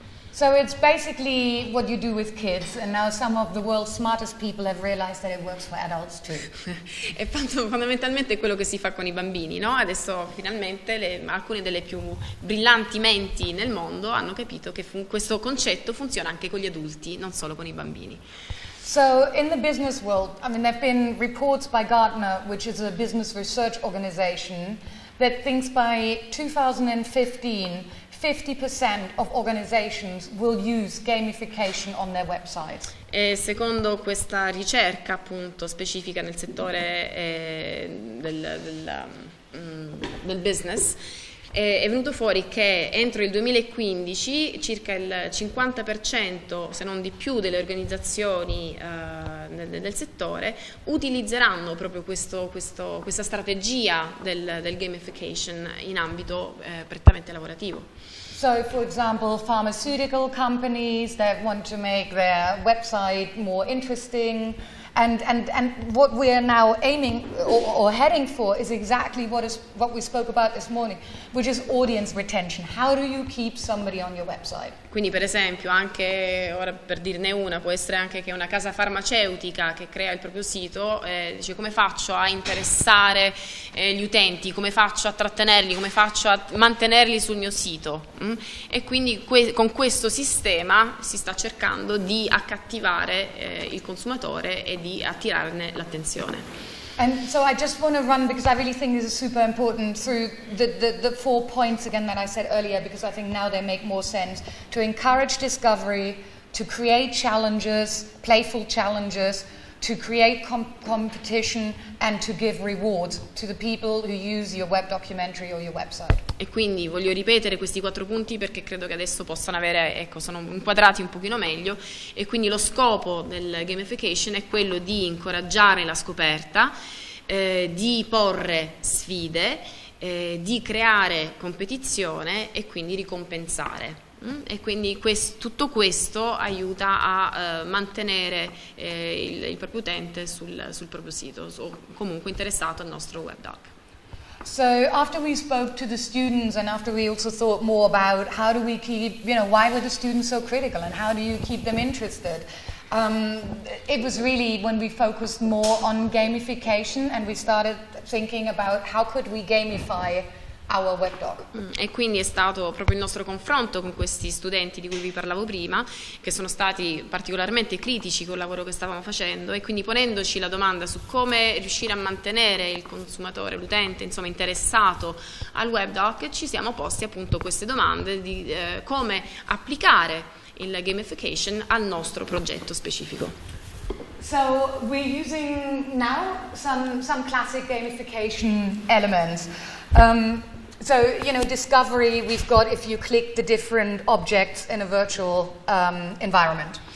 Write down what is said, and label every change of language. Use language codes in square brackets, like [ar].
[en] So it's basically what you do with kids, and now some of the world's smartest people have realized that it works for adults too. [it] È fondamentalmente quello che si fa con i bambini, no? Adesso finalmente alcune delle più brillanti menti nel mondo hanno capito che questo concetto funziona anche con gli adulti, non solo con i bambini. [en] So in the business world, I mean, there have been reports by Gartner, which is a business research organization, that thinks by 2015 50% of organizations will use gamification on their website. [it] E secondo questa ricerca appunto specifica nel settore del business, è venuto fuori che entro il 2015 circa il 50%, se non di più, delle organizzazioni del settore utilizzeranno proprio questa strategia del gamification in ambito prettamente lavorativo. [en] So, for example, pharmaceutical companies that want to make their website more interesting And what we are now aiming or heading for is exactly what we spoke about this morning, which is audience retention. How do you keep somebody on your website? [it] Quindi, per esempio, anche ora per dirne una, può essere anche che una casa farmaceutica che crea il proprio sito, dice come faccio a interessare gli utenti, come faccio a trattenerli, come faccio a mantenerli sul mio sito. E quindi con questo sistema si sta cercando di accattivare il consumatore e di attirarne l'attenzione. [en] And so I just want to run, because I really think this is super important, through the four points again that I said earlier, because I think now they make more sense. To encourage discovery, to create challenges, playful challenges, to create competition, and to give rewards to the people who use your web documentary or your website. [it] E quindi voglio ripetere questi quattro punti perché credo che adesso possano avere, ecco, sono inquadrati un pochino meglio. E quindi lo scopo del gamification è quello di incoraggiare la scoperta, di porre sfide, di creare competizione e quindi ricompensare. E quindi tutto questo aiuta a mantenere il proprio utente sul proprio sito o comunque interessato al nostro webdoc. [en] So after we spoke to the students and after we also thought more about how do we keep, you know, why were the students so critical and how do you keep them interested, it was really when we focused more on gamification and we started thinking about how could we gamify our webdoc. [it] E quindi è stato proprio il nostro confronto con questi studenti di cui vi parlavo prima, che sono stati particolarmente critici col lavoro che stavamo facendo, e quindi ponendoci la domanda su come riuscire a mantenere il consumatore, l'utente, insomma, interessato al webdoc, ci siamo posti appunto queste domande di come applicare il gamification al nostro progetto specifico. [en] So we're using now some classic gamification elements. So, you know, discovery, we've got if you click the different objects in a virtual environment.